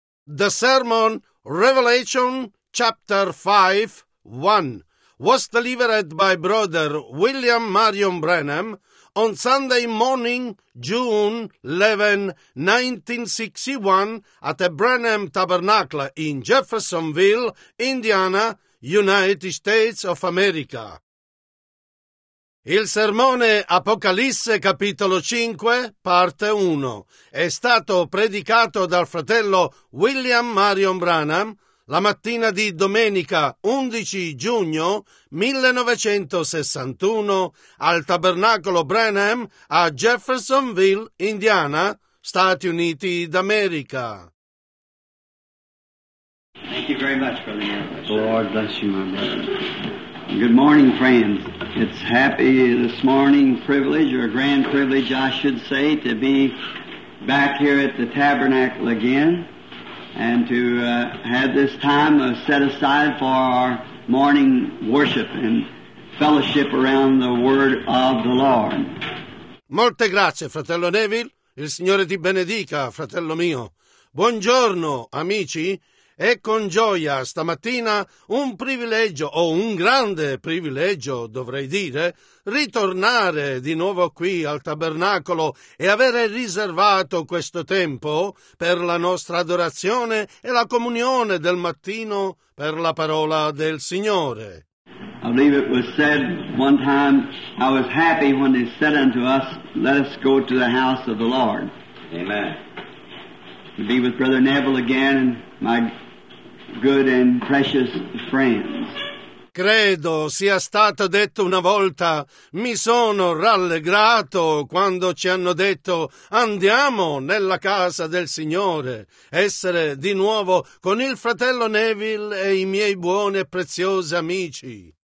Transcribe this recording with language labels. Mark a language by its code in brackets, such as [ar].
[en] The sermon, Revelation, chapter 5, 1, was delivered by Brother William Marion Branham on Sunday morning, June 11, 1961, at a Branham Tabernacle in Jeffersonville, Indiana, United States of America. [it] Il sermone Apocalisse capitolo 5, parte 1, è stato predicato dal fratello William Marion Branham la mattina di domenica 11 giugno 1961 al Tabernacolo Branham a Jeffersonville, Indiana, Stati Uniti d'America. [en] Thank you very much, Brother. The Lord bless you, my brother. Good morning, friends. It's happy this morning privilege, or a grand privilege, I should say, to be back here at the tabernacle again and to have this time set aside for our morning worship and fellowship around the Word of the Lord. [it] Molte grazie, fratello Neville. Il Signore ti benedica, fratello mio. Buongiorno, amici. È con gioia stamattina un privilegio, o un grande privilegio, dovrei dire, ritornare di nuovo qui al tabernacolo e avere riservato questo tempo per la nostra adorazione e la comunione del mattino per la parola del Signore. [en] I believe it was said one time, I was happy when they said unto us, let us go to the house of the Lord. Amen. To be with Brother Neville again, my good and precious friends. [it] Credo sia stato detto una volta, mi sono rallegrato quando ci hanno detto andiamo nella casa del Signore, essere di nuovo con il fratello Neville e i miei buoni e preziosi amici.